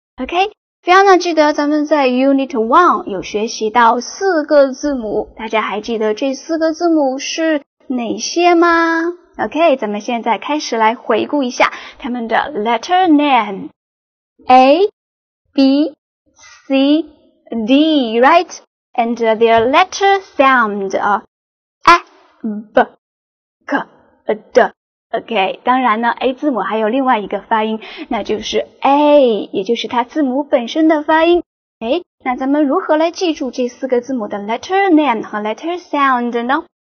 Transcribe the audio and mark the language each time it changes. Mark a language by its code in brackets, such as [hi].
[zh] OK， 非常的记得咱们在 unit 1有学习到四个字母，大家还记得这四个字母是哪些吗？ OK， 咱们现在开始来回顾一下他们的 letter nameA, B, C, D, right? [en] And their letter sound A, B, K, D, OK. [zh] 当然呢 A 字母还有另外一个发音，那就是 A， 也就是它字母本身的发音。诶，那咱们如何来记住这四个字母的 letter name 和 letter sound 呢？